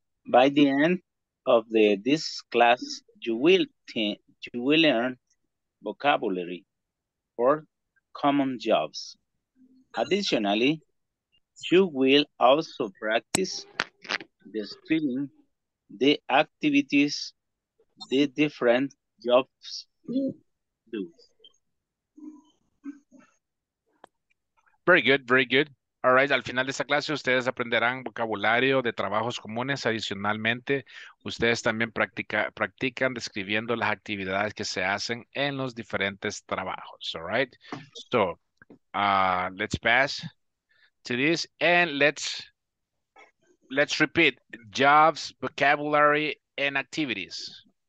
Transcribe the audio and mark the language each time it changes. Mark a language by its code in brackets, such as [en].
[en] By the end of this class, you will learn vocabulary for common jobs. Additionally, you will also practice the screening, the activities, the different jobs do. Very good, very good. All right, [es] al final de esta clase ustedes aprenderán vocabulario de trabajos comunes. Adicionalmente, ustedes también practican describiendo las actividades que se hacen en los diferentes trabajos. [en] All right, so let's pass to this and let's repeat jobs, vocabulary, and activities.